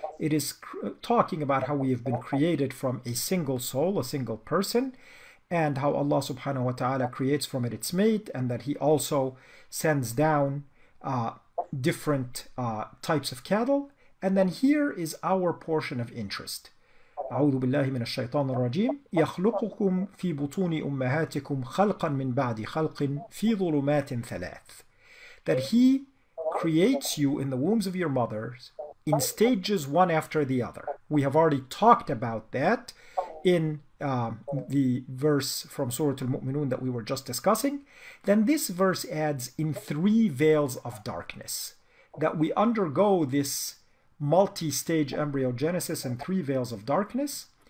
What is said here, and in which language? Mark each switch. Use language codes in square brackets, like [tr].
[en] It is talking about how we have been created from a single soul, a single person, and how Allah subhanahu wa ta'ala creates from it its mate, and that He also sends down different types of cattle. And then here is our portion of interest. [ar] أعوذ بالله من الشيطان الرجيم يخلقكم في بطون أمهاتكم خلقا من بعد خلق في ظلمات ثلاث. [en] That He creates you in the wombs of your mothers in stages one after the other. We have already talked about that in the verse from Surah Al-Mu'minun that we were just discussing. Then this verse adds in three veils of darkness, that we undergo this multi-stage embryogenesis and three veils of darkness.